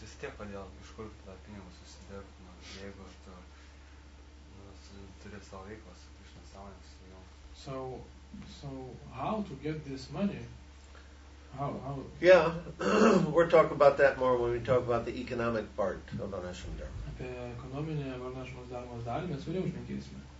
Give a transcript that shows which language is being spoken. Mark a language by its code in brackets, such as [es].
[lt] Vis tiek, kodėl iš kur tada pinigus susidirbti, jeigu tu turi savo veiklą su Krishna sąmonės. [en] So, how to get this money? How? Yeah, we'll talk about that more when we talk about the economic part of Varnashrama Dharma. [lt] Apie ekonominę Varnashrama Dharma dalį mes vėliau užmenkėsime.